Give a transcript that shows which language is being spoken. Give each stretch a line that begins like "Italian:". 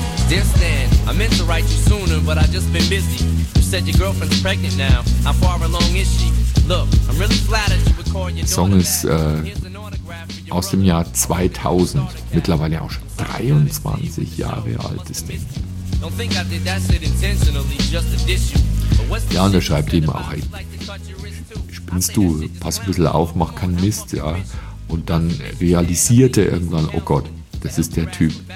English: Distant, I meant to write you sooner, but I just been busy. You said your girlfriend's pregnant now. How far along is she? Look, I'm really flattered you would call your daughter.
German: Song ist aus dem Jahr 2000, mittlerweile auch schon 23 Jahre alt ist Ding.
English: Don't think I did that shit intentionally, just to diss you.
German: Ja, und er schreibt eben auch, ey, spinnst du, pass ein bisschen auf, mach keinen Mist, ja. Und dann realisiert er irgendwann, oh Gott, das ist der Typ.